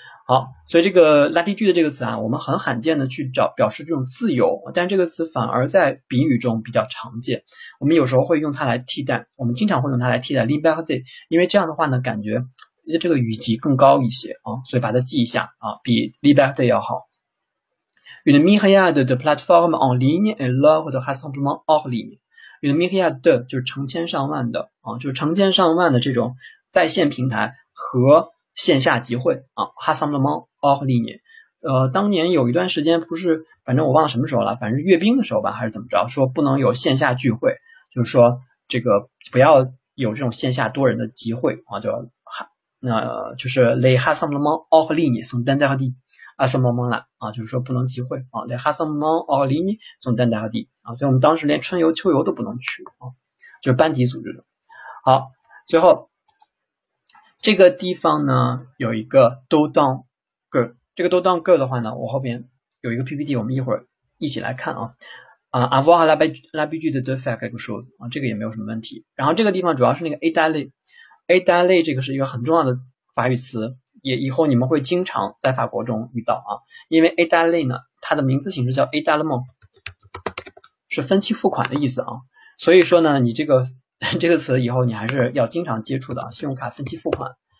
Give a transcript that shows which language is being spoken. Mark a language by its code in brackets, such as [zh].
[zh] 好，所以这个 latitude 这个词啊，我们很罕见的去找表示这种自由，但这个词反而在比喻中比较常见。我们有时候会用它来替代，我们经常会用它来替代 liberté，因为这样的话呢，感觉这个语级更高一些啊，所以把它记一下啊，比 liberté 要好。 [fr] Une myriade de plateformes en ligne et lors de rassemblements hors ligne。 [zh] Une myriade 就是成千上万的啊，就是成千上万的这种在线平台和线下集会啊。 Rassemblement hors ligne，当年有一段时间不是，反正我忘了什么时候了，反正是阅兵的时候吧，还是怎么着，说不能有线下聚会，就是说这个不要有这种线下多人的集会啊，叫哈，那就是 [fr] les rassemblements hors ligne sont interdits。 [zh] 啊，什么什么啦啊，就是说不能集会啊， [fr] les rassemblements hors ligne sont interdits [zh] 啊，所以我们当时连春游秋游都不能去啊，就是班级组织的。好，最后这个地方呢有一个 do dans ge，这个 do dans ge 的话呢，我后边有一个 PPT，我们一会儿一起来看啊。 [fr] avoir l'habitude de faire quelque chose 啊， [zh] 这个也没有什么问题。然后这个地方主要是那个 étaler 这个是一个很重要的法语词。也以后你们会经常在法国中遇到啊，因为 étaler 呢，它的名字形式叫 étalement，是分期付款的意思啊。所以说呢，你这个词以后你还是要经常接触的啊，信用卡分期付款。